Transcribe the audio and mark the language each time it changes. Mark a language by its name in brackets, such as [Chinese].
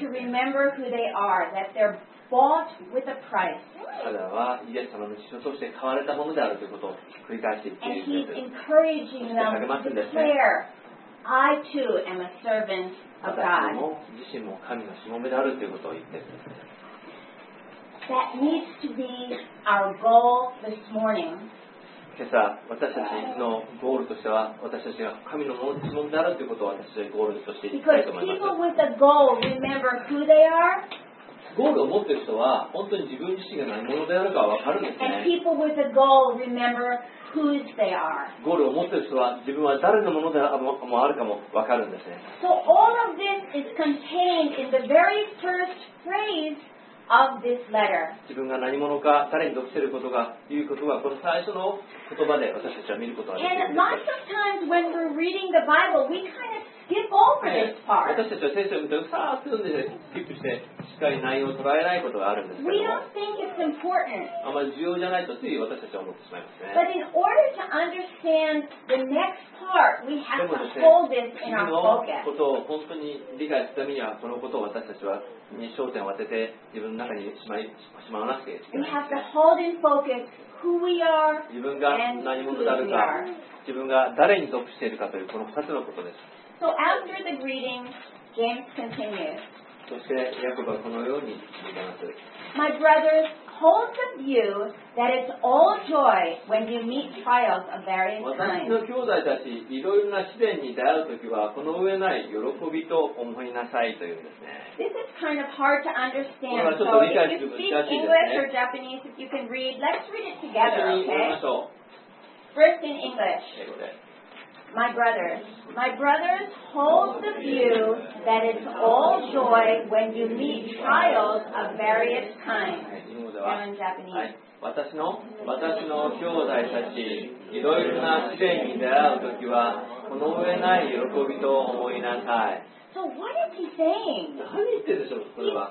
[English] to remember who they are, that they're bought with a price. [Japanese] 彼らはイエス様の血を通して買われたものであるということを繰り返して言っているんです。 [English] And he's encouraging them to declare, I too am a servant. [Japanese] 私も自身も神のしもべであるということを言ってる。 [English] That needs to be our goal this morning. [Japanese] 今朝私たちのゴールとしては私たちが神のしもべであるということを私たちのゴールとしていきたいと思います。 [English] Because people with a goal remember who they are. [Japanese] ゴールを持っている人は本当に自分自身が何者であるかわかるんですね。 [English] And people with a goal remember whose they are. [Japanese] ゴールを持っている人は自分は誰のものであるかもわかるんですね。 [English] So all of this is contained in the very first phrase of this letter. [Japanese] 自分が何者か誰に属していることがいうことがこの最初の言葉で私たちは見ることができるんです。 [English] And lots of times when we're reading the Bible, we kind of skip over this part. [Japanese] 私たちは聖書を見てさーっと読んでスキップして。しっかり内容を捉えないことがあるんですけども。 [English] We don't think it's important. [Japanese] あまり重要じゃないとつい私たちは思ってしまいますね。 [English] But in order to understand the next part, we have to hold this in our focus. [Japanese] 次のことを本当に理解するためには、このことを私たちは焦点を当てて自分の中にしまわなくてい [English] い。We have to hold in focus who we are. [Japanese] 自分が何者であるか、自分が誰に属しているかというこの二つのことです。 [English] So after the greeting, James continues. [Japanese] そしてヤコブはこのように言います。 [English] My brothers, hold the view that it's all joy when you meet trials of various kinds. [Japanese] 私の兄弟たち、いろいろな試練に出会うときは、この上ない喜びと思いなさいというんですね。 [English] This is kind of hard to understand. [Japanese] これはちょっと理解しづらいですね。 [English] So if you speak English or Japanese, if you can read, let's read it together, okay? [Japanese] 一緒に読みましょう。 [English] First in English. [Japanese] 英語で。 [English] My brothers, hold the view that it's all joy when you meet trials of various kinds. Now in Japanese. [Japanese] 私の兄弟たち、いろいろな試練に出会うときは、この上ない喜びと思いなさい。 [English] So what is he saying? [Japanese] 何言ってるでしょう、これは。